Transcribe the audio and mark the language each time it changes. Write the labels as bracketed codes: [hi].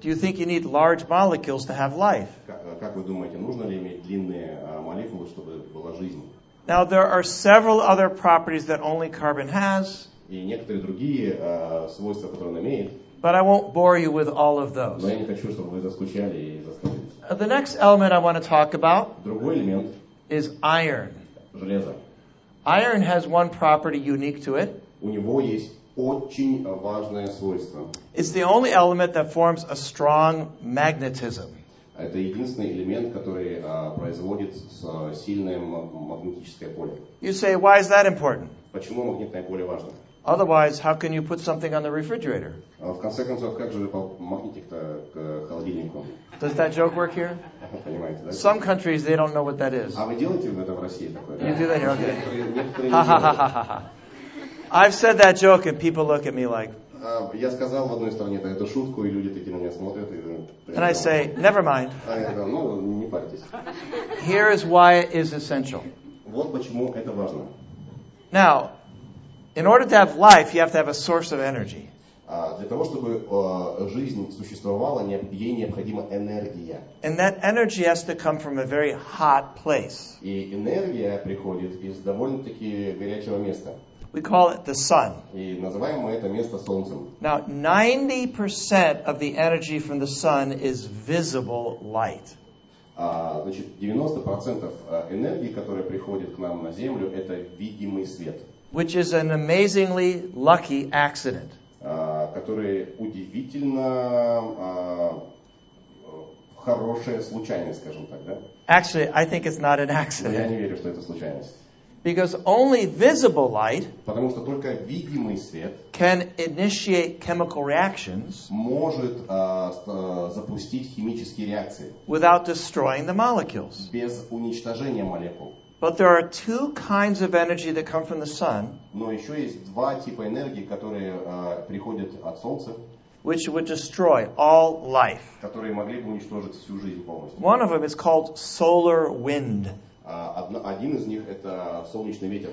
[en] Do you think you need large molecules to have life? [ru] Как вы думаете, нужно ли иметь длинные молекулы, чтобы была жизнь? [en] Now there are several other properties that only carbon has. [ru] И некоторые другие свойства, которые он имеет. [en] But I won't bore you with all of those. [ru] Но я не хочу, чтобы вы заскучали и заскучали. [en] The next element I want to talk about [ru] другой элемент [en] is iron. [ru] Железо. [en] Iron has one property unique to it. [ru] У него есть очень важное свойство. [en] It's the only element that forms a strong magnetism. [ru] Это единственный элемент, который производит сильное магнетическое поле. [en] You say, why is that important? [ru] Почему магнитное поле важно? [en] Otherwise, how can you put something on the refrigerator? [ru] В конце концов, как же магнитик-то к холодильнику? [en] Does that joke work here? [ru] Понимаете, да? [en] Some countries, they don't know what that is. [ru] А вы делаете это в России такое? [en] You do that here, okay. I've said that joke and people look at me like... [ru] Я сказал в одной стране, это шутку, и люди такие на меня смотрят. [en] And I say, never mind. [ru] А я говорю, ну, не парьтесь. [en] Here is why it is essential. [ru] Вот почему это важно. [en] Now... In order to have life, you have to have a source of energy. [ru] Для того, чтобы жизнь существовала, ей необходима энергия. [en] And that energy has to come from a very hot place. [ru] И энергия приходит из довольно-таки горячего места. [en] We call it the sun. [ru] И называем мы это место солнцем. [en] Now, 90% of the energy from the sun is visible light. [ru] Значит, 90% энергии, которая приходит к нам на Землю, это видимый свет. [en] Which is an amazingly lucky accident. [ru] Который удивительно хорошая случайность, скажем так, да? [en] Actually, I think it's not an accident. [ru] Но я не верю, что это случайность. [en] Because only visible light [ru] Потому что только видимый свет [en] can initiate chemical reactions [ru] может запустить химические реакции [en] without destroying the molecules. [ru] Без уничтожения молекул. [en] But there are two kinds of energy that come from the sun. [ru] Но еще есть два типа энергии, которые приходят от солнца. [en] Which would destroy all life. [ru] Которые могли бы уничтожить всю жизнь полностью. [en] One of them is called solar wind. [ru] Один из них это солнечный ветер.